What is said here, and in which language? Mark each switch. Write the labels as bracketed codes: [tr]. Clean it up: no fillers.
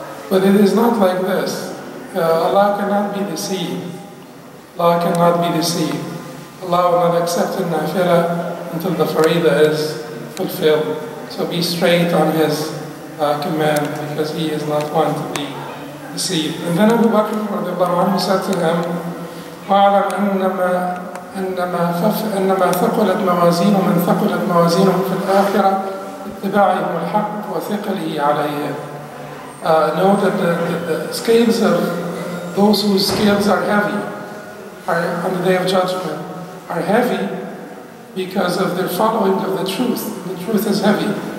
[en] But it is not like this. Allah cannot be deceived. Allah cannot be deceived. Allah will not accept the nafila until the farida is fulfilled. So be straight on His command, because He is not one to be deceived. And then Abu Bakr radiallahu anhu said to him, [ar] وَعَلَمْ أَنَّمَا ثَقُلَتْ مَوَازِينُ مَنْ ثَقُلَتْ مَوَازِينُ فِي الْآخِرَةِ اتِّبَاعِهُمُ الْحَقِّ وَثِقَلِهِ عَلَيْهِمْ. [en] Know that the scales of those whose scales are heavy on the Day of Judgment are heavy because of their following of the truth. The truth is heavy.